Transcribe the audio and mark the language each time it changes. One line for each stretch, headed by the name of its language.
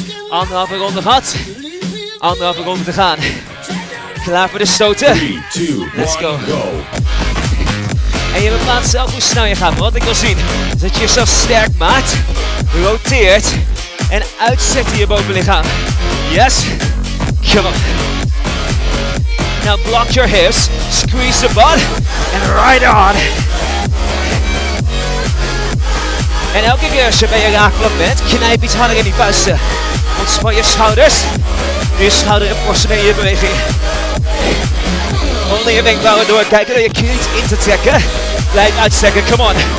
Dutch: Anderhalve ronde gehad. Anderhalve ronde te gaan. Klaar voor de stoten?
English: 3, 2, 1, let's go. Go.
Dutch: En je bepaalt zelf hoe snel je gaat. Maar wat ik wil zien, is dat je jezelf sterk maakt, roteert en uitzet in je bovenlichaam.
English: Yes? Come on. Now block your hips, squeeze the butt, and ride on.
Dutch: En elke keer als je bij je raakvlak bent, knijp iets harder in die vuisten. Ontspan je schouders, je schouder en borsten in je beweging. Onder je wenkbrauwen doorkijken door je knie niet in te trekken. Blijf uitstekken,
English: come on.